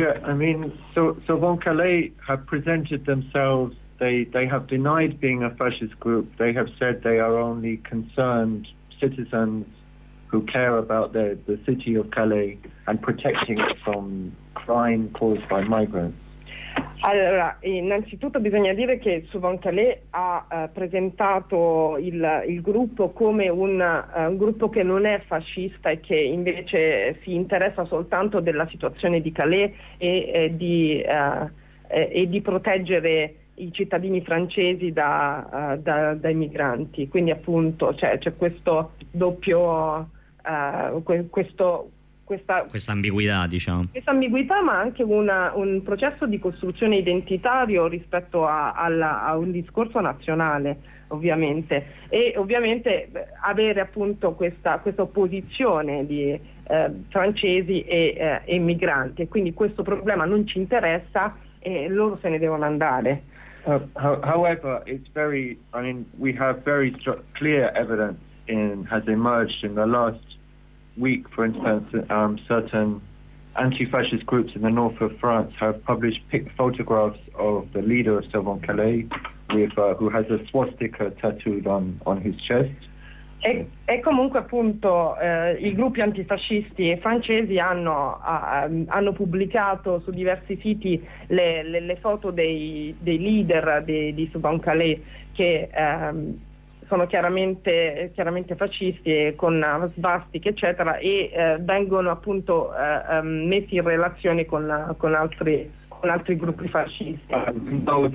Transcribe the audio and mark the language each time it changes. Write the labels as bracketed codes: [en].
[en] Yeah, I mean, so Sauvane Calais have presented themselves, they have denied being a fascist group, they have said they are only concerned citizens who care about the city of Calais and protecting it from crime caused by migrants. [it] Allora, innanzitutto bisogna dire che Sauvane Calais ha presentato il gruppo come un gruppo che non è fascista e che invece si interessa soltanto della situazione di Calais e di proteggere i cittadini francesi dai migranti. Quindi appunto c'è questo doppio, questa ambiguità, diciamo. Questa ambiguità, ma anche un processo di costruzione identitario rispetto a un discorso nazionale, ovviamente. E ovviamente avere appunto questa opposizione di francesi e migranti. Quindi questo problema non ci interessa e loro se ne devono andare. [en] However, it's very, I mean, we have very clear evidence has emerged in the last week, for instance, certain anti-fascist groups in the north of France have published photographs of the leader of Sauvane Calais, who has a swastika tattooed on his chest. [it] E comunque appunto i gruppi antifascisti e francesi hanno pubblicato su diversi siti le foto dei leader di Sauvane Calais che sono chiaramente fascisti e con svastiche, eccetera, e vengono appunto messi in relazione con altri gruppi fascisti.